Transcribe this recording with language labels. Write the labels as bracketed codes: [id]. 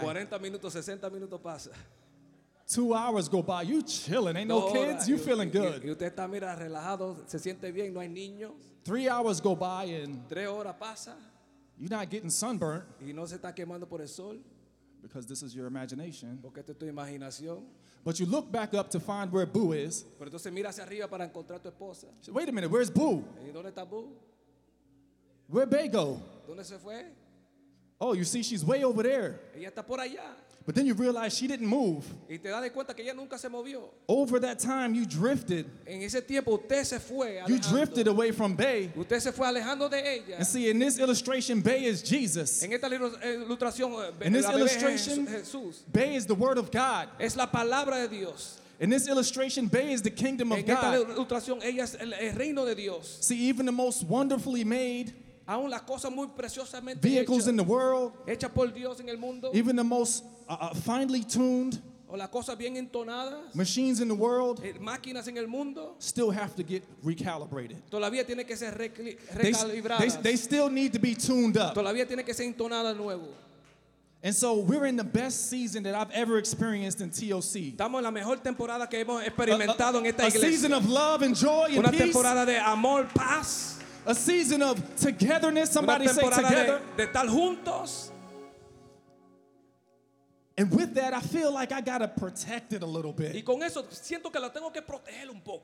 [es] 40 minutos, 60 minutos pasa. [en] 2 hours go by. You chilling. Ain't no kids. You feeling good. [es] Y usted está, mira, relajado. Se siente bien. No hay niños. [en] 3 hours go by and [es] 3 horas pasa. [en] You're not getting sunburnt. [es] Y no se está quemando por el sol. [en] Because this is your imagination. [es] Porque esto es tu imaginación. [en] But you look back up to find where Boo is. [es] Pero entonces mira hacia arriba para encontrar tu esposa. [en] Wait a minute. Where's Boo? [es] ¿Y dónde está Boo? [en] Where'd Bae go? [es] ¿Dónde se fue? [en] Oh, you see, she's way over there. [es] Ella está por allá. [en] But then you realize she didn't move. [es] Y te das cuenta que ella nunca se movió. [en] Over that time, you drifted. [es] En ese tiempo, usted se fue alejando. [en] You drifted away from Bae. [es] Usted se fue alejando de ella. [en] And see, in this illustration, Bae is Jesus. [es] En esta ilustración, [en] in this illustration, [es] Jesús. [en] Bae is the word of God. [es] Es la palabra de Dios. [en] In this illustration, Bae is the kingdom of [es] en esta [en] God. [es] Ilustración, ella es el reino de Dios. [en] See, even the most wonderfully made [es] aún las cosas muy preciosamente [en] vehicles [es] hecha, [en] in the world, [es] hecha por Dios en el mundo, [en] even the most finely tuned [es] o las cosas bien entonadas, [en] machines in the world, [es] máquinas en el mundo, [en] still have to get recalibrated. [es] Todavía tiene que ser recalibradas. [en] They still need to be tuned up. [es] Todavía tiene que ser entonada nuevo. [en] And so we're in the best season that I've ever experienced in TOC. [es] Estamos en la mejor temporada que hemos experimentado en esta iglesia. [en] A season of love and joy and peace. [es] Una temporada de amor, paz. [en] A season of togetherness. Somebody say together. [es] De estar juntos. [en] And with that, I feel like I gotta protect it a little bit. [es] Y con eso siento que lo tengo que proteger un poco.